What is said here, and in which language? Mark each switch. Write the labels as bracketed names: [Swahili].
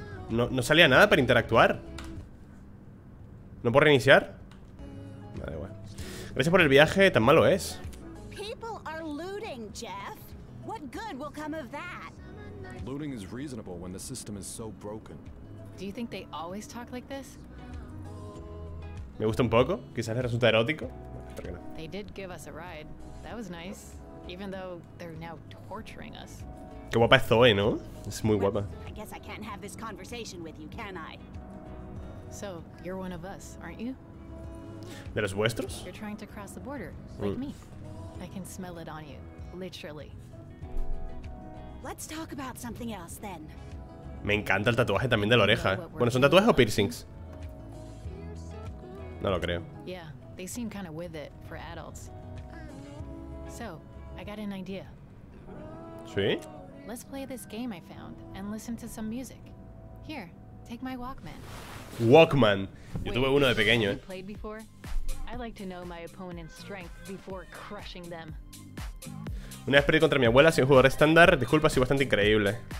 [Spanish] No salía nada para interactuar. ¿No puedo reiniciar? Vale, bueno. Gracias por el viaje, tan malo es. [English] People are looting, Jeff. What good will come of that? Looting is reasonable when the system is so broken. Do you think they always talk like this? [Spanish] Me gusta un poco, quizás le resulta erótico. [English] They did give us a ride. That was nice, even though they're now torturing us. [Spanish] Qué guapa es Zoe, ¿no? Es muy guapa. [English] I guess I can't have this conversation with you, can I? So, you're one of us, aren't you? [Spanish] ¿De los vuestros? [English] You're trying to cross the border, like me. I can smell it on you, literally. Let's talk about something else, then. [Spanish] Me encanta el tatuaje también de la oreja. Bueno, ¿son tatuajes o piercings? No lo creo. [English] Yeah, they seem kind of with it for adults. So, I got an idea. [Spanish] ¿Sí? [English] Let's play this game I found and listen to some music. Here, take my Walkman. [Spanish] Walkman. Yo tuve uno de pequeño, [English] I like to know my opponent's strength before crushing them. [Spanish] Una vez perdí contra mi abuela sin jugador estándar, disculpa, sí, bastante increíble.